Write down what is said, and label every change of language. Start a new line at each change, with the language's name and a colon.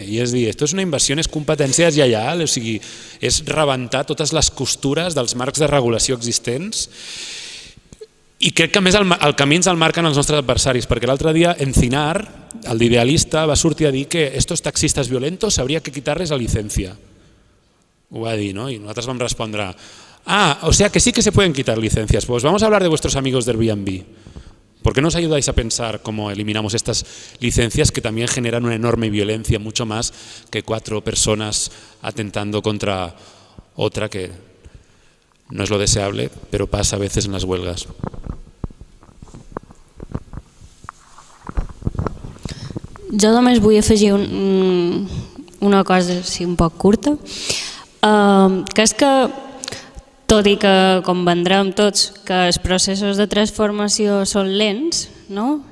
Catalan: I és dir, això és una invasió, és competència deslleial, o sigui, és rebentar totes les costures dels marcs de regulació existents. I crec que més el camí ens el marquen els nostres adversaris, perquè l'altre dia Encinar, el d'Idealista, va sortir a dir que
Spanish: estos taxistes violentos habría que quitarles la licencia.
Catalan: Ho va dir, no? I nosaltres vam respondre,
Spanish: ah, o sea que sí que se pueden quitar licencias, pues vamos a hablar de vuestros amigos del Airbnb. ¿Por qué no os ayudáis a pensar cómo eliminamos estas licencias que también generan una enorme violencia, mucho más que 4 personas atentando contra otra que no es lo deseable, pero pasa a veces en las huelgas.
Catalan: Jo només vull afegir una cosa sí, un poc curta, que és que, tot i que convendrem tots que els processos de transformació són lents, no?